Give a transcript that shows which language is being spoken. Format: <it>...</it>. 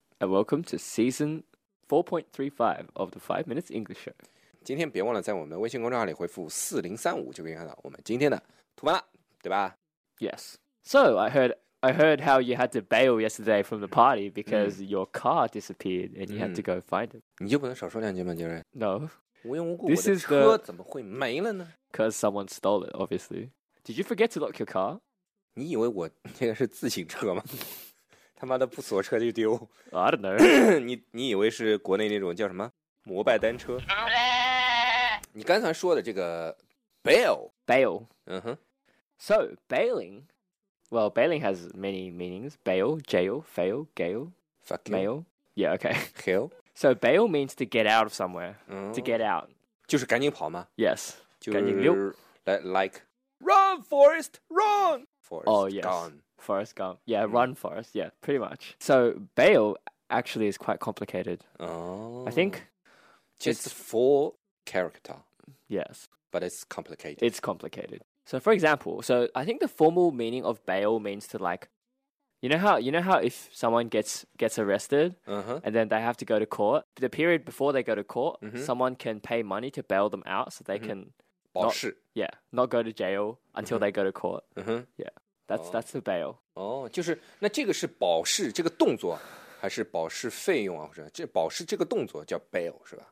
<en>And welcome to season 4.35 of the 5 Minutes English Show.</en> <zh>今天别忘了在我们微信公众号里回复4035，就可以看到我们今天的图文了，对吧</zh> <en>？Yes. So I heard how you had to bail yesterday from the party because your car disappeared and you had to go find it.</en> <zh>你就不能少说两句吗，杰瑞</zh> <en>？No.</en> <zh>无缘无故，</zh> <en>this</en> <zh>我的车怎么会没了呢</zh> <en>？Cause someone stole it, obviously. Did you forget to lock your car?</en> <zh>你以为我这个是自行车吗？他妈的不锁车就丢</zh> <en>？I don't know.</en> <zh>你以为是国内那种叫什么？摩拜单车，你刚才说的这个 bail，</zh> <en>嗯哼 ，so bailing has many meanings. Bail, jail, fail, gail, fuck, mail, yeah, okay, hell. So bail means to get out of somewhere, to get out，</en> <zh>就是赶紧跑吗</zh> <en>？Yes，</en> <zh>就是</zh> <en>like run, forest, run, forest, oh yes, gone. Forest gone, yeah, run, forest, yeah, pretty much. So bail actually is quite complicated. Oh, I think. It's four character. Yes. But it's complicated. It's complicated. So, for example, so I think the formal meaning of bail means to like, you know how if someone gets arrested, uh-huh. and then they have to go to court, the period before they go to court, mm-hmm. someone can pay money to bail them out so they mm-hmm. can not go to jail until mm-hmm. they go to court. Mm-hmm. Yeah. That's the bail.</en> <zh>Oh, 就是那这个是保释这个动作。还是保释费用啊，或者这保释这个动作叫 bail 是吧</zh>